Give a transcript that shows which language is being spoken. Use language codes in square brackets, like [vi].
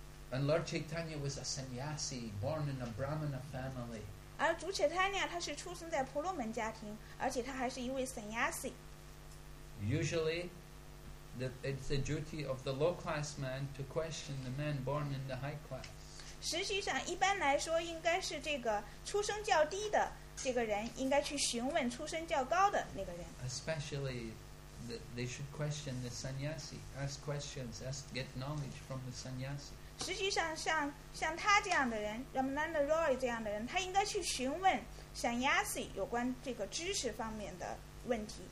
[en] And Lord Chaitanya was a sannyasi born in a Brahmana family. [zh] 而主 Chaitanya 他是出生在婆罗门家庭，而且他还是一位 sannyasi. [en] Usually, it's the duty of the low class man to question the man born in the high class. [zh] 实际上一般来说应该是这个出生较低的这个人应该去询问出生较高的那个人。 [en] Especially, they should question the sannyasi, ask questions, get knowledge from the sannyasi. [zh] 实际上像他这样的人 Ramananda Roy 这样的人他应该去询问 sannyasi 有关这个知识方面的问题。